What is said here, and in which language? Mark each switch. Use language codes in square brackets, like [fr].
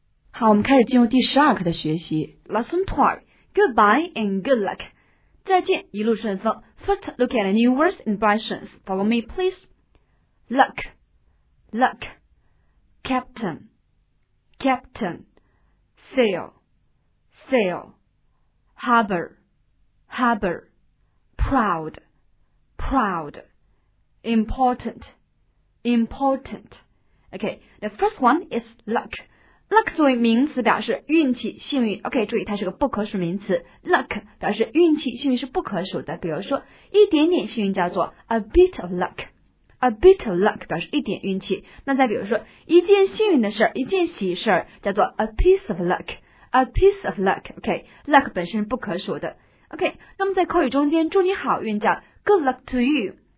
[zh] 好，我们开始进入第十二课的学习。 [en] Lesson 12, goodbye and good luck. [zh] 再见，一路顺风。 [en] First, look at the new words and expressions. Follow me, please. Luck, luck. Captain, captain. Sail, sail. Harbor, harbor. Proud, proud. Important, important. Okay, the first one is luck. [zh] Luck 作为名词表示运气、幸运。OK, 注意它是个不可数名词。 Luck 表示运气、幸运是不可数的。比如说一点点幸运叫做 [en] a bit of luck。 A bit of luck [zh] 表示一点运气。那再比如说一件幸运的事儿、一件喜事儿叫做 [en] a piece of luck。 A piece of luck, [zh] OK, luck 本身是不可数的。 OK, 那么在口语中间祝你好运叫 [en] good luck to you。